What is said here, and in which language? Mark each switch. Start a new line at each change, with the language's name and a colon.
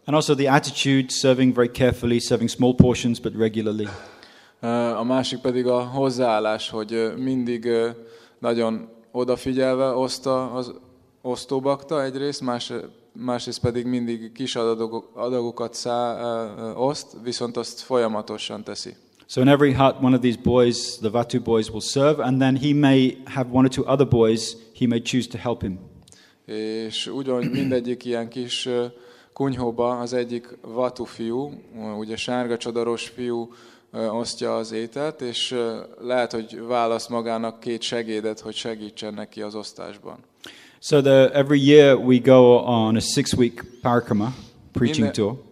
English: And also the attitude, serving very carefully, serving small portions but regularly.
Hungarian: A másik pedig a hozzáállás, hogy mindig nagyon odafigyelve oszta az osztóbakta egyrészt, másrészt pedig mindig kis adagokat oszt, viszont azt folyamatosan teszi.
English: So in every hut, one of these boys, the Vatu boys, will serve, and then he may have one or two other boys, he may choose to help him.
Hungarian: És ugyanúgy mindegyik ilyen kis kunyhóba az egyik Vatu fiú, ugye sárga csodaros fiú osztja az ételt, és lehet, hogy választ magának két segédet, hogy segítsen neki az osztásban.
English: So every year we go on a 6-week parikrama preaching tour.